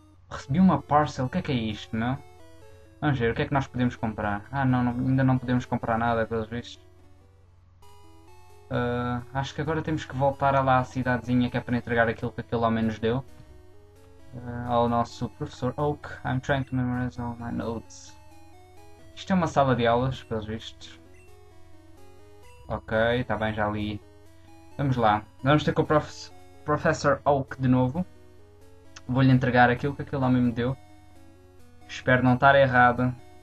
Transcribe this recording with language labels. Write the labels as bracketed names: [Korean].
[Portuguese] Recebi uma parcel, o que é isto, meu? Vamos ver, o que é que nós podemos comprar? Ah, não, não, ainda não podemos comprar nada, pelos vistos. Acho que agora temos que voltar lá à cidadezinha que é para entregar aquilo que aquele homem nos deu. Ao nosso professor Oak. [English] I'm trying to memorize all my notes. [Portuguese] Isto é uma sala de aulas, pelos vistos. Ok, está bem, já li. Vamos lá. Vamos ter com o professor Oak de novo. Vou-lhe entregar aquilo que aquele homem me deu. Espero não estar errado.